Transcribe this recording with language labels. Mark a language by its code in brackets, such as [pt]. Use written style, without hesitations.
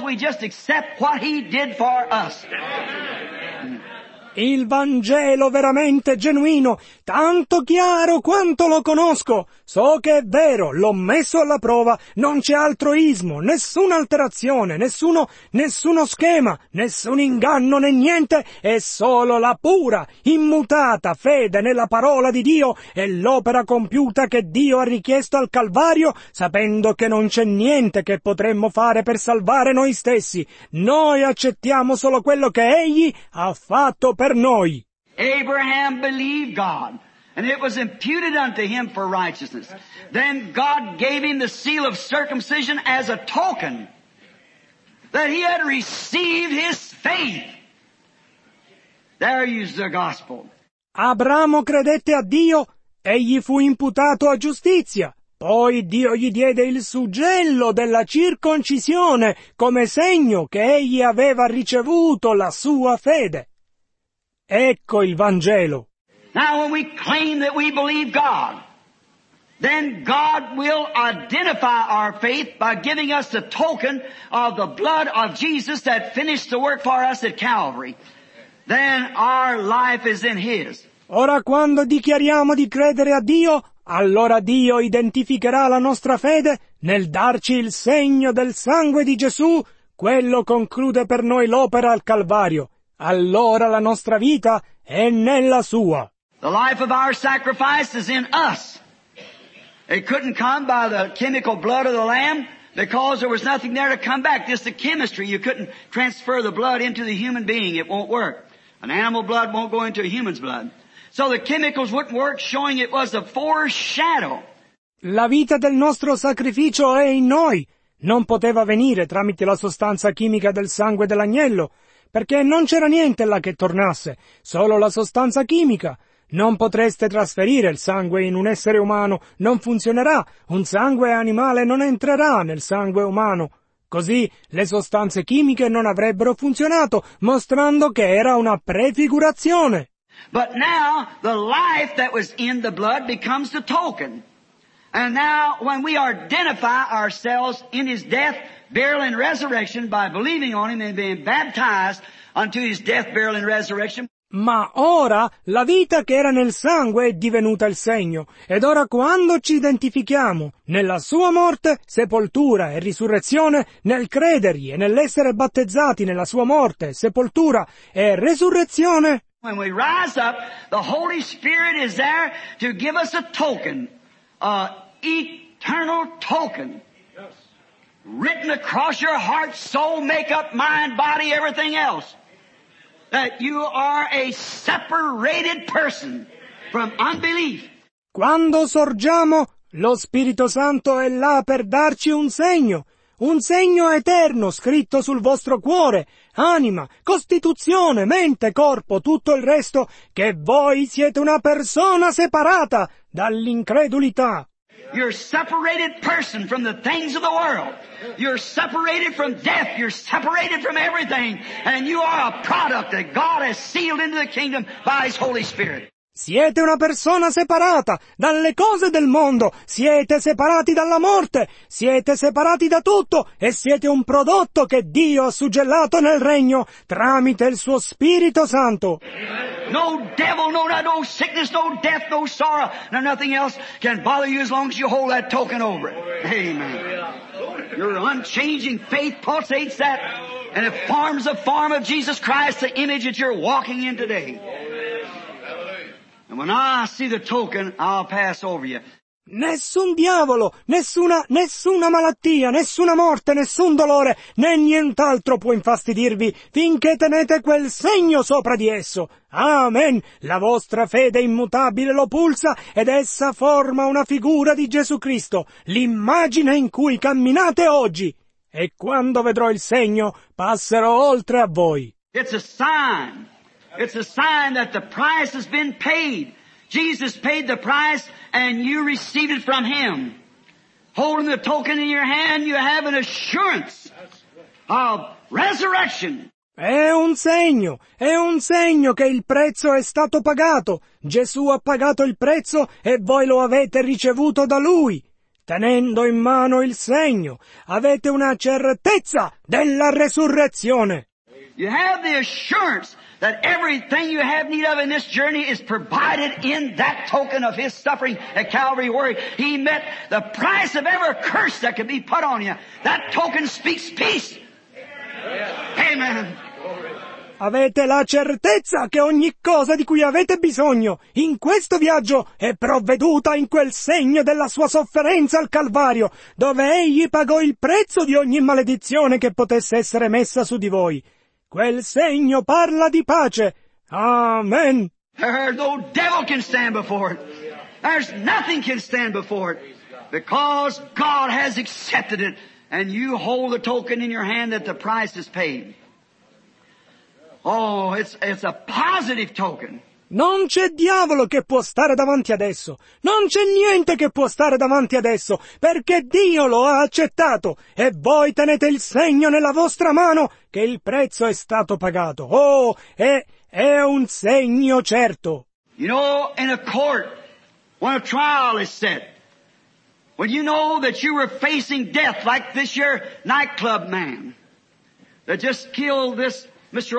[en] We just accept what He did for us. [it] Il Vangelo veramente genuino, tanto chiaro quanto lo conosco. So che è vero, l'ho messo alla prova, non c'è altro ismo, nessuna alterazione, nessuno schema, nessun inganno né niente, è solo la pura, immutata fede nella parola di Dio e l'opera compiuta che Dio ha richiesto al Calvario, sapendo che non c'è niente che potremmo fare per salvare noi stessi. Noi accettiamo solo quello che Egli ha fatto per noi. [en] Abraham believed God, and it was imputed unto him for righteousness. Then God gave him the seal of circumcision as a token that he had received his faith. There is the gospel. [it] Abramo credette a Dio e gli fu imputato a giustizia. Poi Dio gli diede il suggello della circoncisione come segno che egli aveva ricevuto la sua fede. Ecco il Vangelo. [en] Now when we claim that we believe God, then God will identify our faith by giving us the token of the blood of Jesus that finished the work for us at Calvary. Then our life is in His. [it] Ora quando dichiariamo di credere a Dio, allora Dio identificherà la nostra fede nel darci il segno del sangue di Gesù, quello conclude per noi l'opera al Calvario. Allora la nostra vita è nella sua. [en] The life of our sacrifice is in us. It couldn't come by the chemical blood of the lamb because there was nothing there to come back. Just the chemistry. You couldn't transfer the blood into the human being. It won't work. An animal blood won't go into a human's blood. So the chemicals wouldn't work, showing it was a foreshadow. [it] La vita del nostro sacrificio è in noi. Non poteva venire tramite la sostanza chimica del sangue dell'agnello, perché non c'era niente là che tornasse, solo la sostanza chimica. Non potreste trasferire il sangue in un essere umano, non funzionerà, un sangue animale non entrerà nel sangue umano. Così le sostanze chimiche non avrebbero funzionato, mostrando che era una prefigurazione. [en] But now the life that was in the blood becomes the token. And now when we identify ourselves in His death, burial and resurrection by believing on Him and being baptized unto His death, burial and resurrection. [it] Ma ora la vita che era nel sangue è divenuta il segno. Ed ora quando ci identifichiamo nella sua morte, sepoltura e risurrezione, nel credergli e nell'essere battezzati nella sua morte, sepoltura e resurrezione. [en] When we rise up, the Holy Spirit is there to give us a token, a eternal token. Written across your heart, soul, makeup, mind, body, everything else. That you are a separated person from unbelief. [it] Quando sorgiamo, lo Spirito Santo è là per darci un segno eterno scritto sul vostro cuore, anima, costituzione, mente, corpo, tutto il resto, che voi siete una persona separata dall'incredulità. [en] You're a separated person from the things of the world. You're separated from death. You're separated from everything. And you are a product that God has sealed into the kingdom by His Holy Spirit. [it] Siete una persona separata dalle cose del mondo, siete separati dalla morte, siete separati da tutto e siete un prodotto che Dio ha suggellato nel regno tramite il suo Spirito Santo. [en] No devil, no night, no sickness, no death, no sorrow, no nothing else can bother you as long as you hold that token over it. Amen. Your unchanging faith pulsates that and it forms the form of Jesus Christ, the image that you're walking in today. When I see the token, I'll pass over you. [it] Nessun diavolo, nessuna malattia, nessuna morte, nessun dolore, né nient'altro può infastidirvi finché tenete quel segno sopra di esso. Amen. La vostra fede immutabile lo pulsa ed essa forma una figura di Gesù Cristo, l'immagine in cui camminate oggi. E quando vedrò il segno, passerò oltre a voi. [en] It's a sign. It's a sign that the price has been paid. Jesus paid the price and you received it from Him. Holding the token in your hand, you have an assurance of resurrection. [it] È un segno che il prezzo è stato pagato. Gesù ha pagato il prezzo e voi lo avete ricevuto da Lui. Tenendo in mano il segno, avete una certezza della resurrezione. [en] You have the assurance that everything you have need of in this journey is provided in that token of His suffering at Calvary, where He met the price of every curse that could be put on you. That token speaks peace. Amen. [it] Avete la certezza che ogni cosa di cui avete bisogno in questo viaggio è provveduta in quel segno della sua sofferenza al Calvario, dove Egli pagò il prezzo di ogni maledizione che potesse essere messa su di voi. Quel segno parla di pace. Amen. [en] No devil can stand before it. There's nothing can stand before it. Because God has accepted it. And you hold the token in your hand that the price is paid. Oh, it's a positive token. [it] Non c'è diavolo che può stare davanti adesso. Non c'è niente che può stare davanti adesso. Perché Dio lo ha accettato. E voi tenete il segno nella vostra mano che il prezzo è stato pagato. Oh, è un segno certo. [en] You know, in a court, when a trial is set, when you know that you were facing death like this year nightclub man that just killed this Mr.